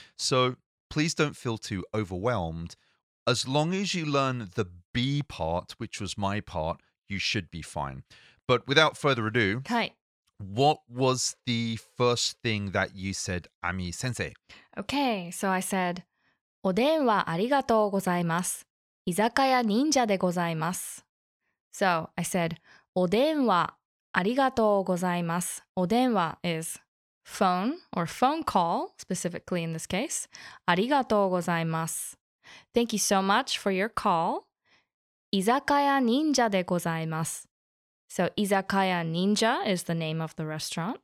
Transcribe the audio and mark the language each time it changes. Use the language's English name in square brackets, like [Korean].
[English] So please don't feel too overwhelmed. As long as you learn the B part, which was my part, you should be fine. But without further ado, what was the first thing that you said, Ami-sensei? Okay, so I said, [Japanese] お電話ありがとうございます。居酒屋忍者でございます。 [English] So I said, [Japanese] お電話ありがとうございます。 [English] お電話 is phone or phone call, specifically in this case. [Japanese] ありがとうございます。 [English] Thank you so much for your call. [Japanese] 居酒屋忍者でございます。 [English] So, Izakaya Ninja is the name of the restaurant.